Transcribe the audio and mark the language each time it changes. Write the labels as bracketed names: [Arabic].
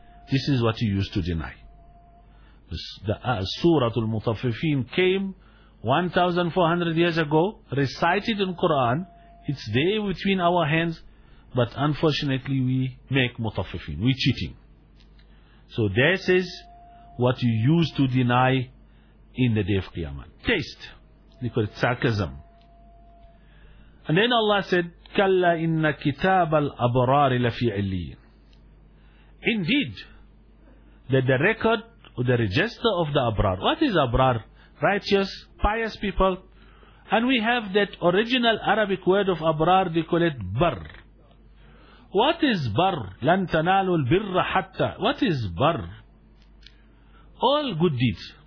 [English] This is what he used to deny. The Surah Al-Mutaffifin came 1400 years ago, recited in Quran, it's there between our hands, but unfortunately we make Mutaffifin, we're cheating. So this is what he used to deny in the day of Qiyamah. Taste. They call it sarcasm. And then Allah said, [Arabic] كَلَّا إِنَّ كِتَابَ الْأَبْرَارِ لَفِي عِلِّيِّينَ. [English] Indeed, that the record or the register of the Abrar. What is Abrar? Righteous, pious people. And we have that original Arabic word of Abrar, they call it Barr. What is Barr? [Arabic] لَن تَنَالُوا الْبِرَّ حَتَّى. [English] What is Barr? All good deeds.